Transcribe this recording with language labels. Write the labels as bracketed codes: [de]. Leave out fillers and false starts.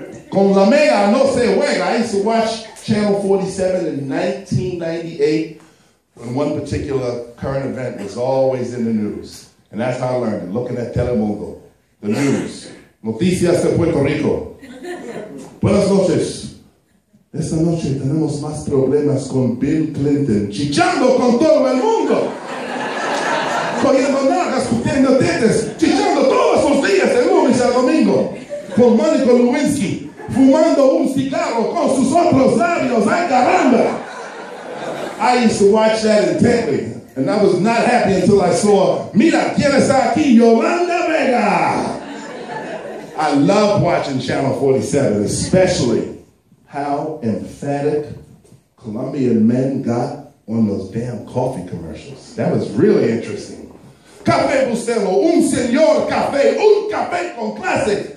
[es] Con la mega no se juega. [en] I used to watch Channel 47 in 1998, when one particular current event was always in the news. And that's how I learned it, looking at Telemundo, the news. [es] Noticias de Puerto Rico. Buenas noches. Esta noche tenemos más problemas con Bill Clinton. Chichando con todo el mundo. Cogiendo nalgas, cogiendo dientes. Chichando todos los días, de lunes a domingo. Con Monica Lewinsky. Fumando un cigarro con sus otros labios, ay caramba! [en] I used to watch that intently, and I was not happy until I saw, [es] Mira, tienes aquí Yolanda Vega. [en] I love watching Channel 47, especially how emphatic Colombian men got on those damn coffee commercials. That was really interesting. [es] Café Bustelo, un señor café, un café con clase.